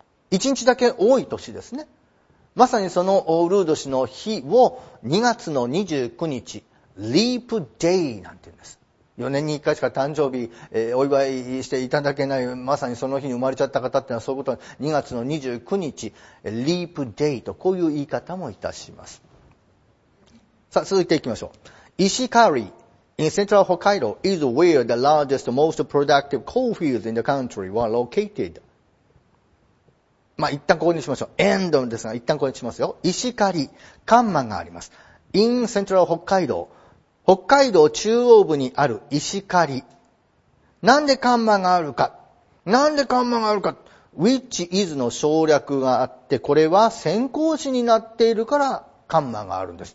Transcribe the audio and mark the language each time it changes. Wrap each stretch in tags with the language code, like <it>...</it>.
<ja>一日だけ多い年ですね。まさにそのウルー年の日を2月の29日、リープデイなんて言うんです。 4年に1回しか誕生日、お祝いしていただけない、まさにその日に生まれちゃった方ってのはそういうことで、2月の29日、リープデイとこういう言い方もいたします。さあ、続いていきましょう。石狩り。</ja> <en>In central Hokkaido is where the largest, most productive coal fields in the country were located.</en> <ja>まあ、一旦ここにしましょう。End ですが、一旦ここにしますよ。石狩、カンマがあります。 In central Hokkaido, 北海道中央部にある石狩。なんでカンマがあるか。なんでカンマがあるか。</ja> <en>Which is</en> <ja>の省略があって、これは先行詞になっているからカンマがあるんです。</ja>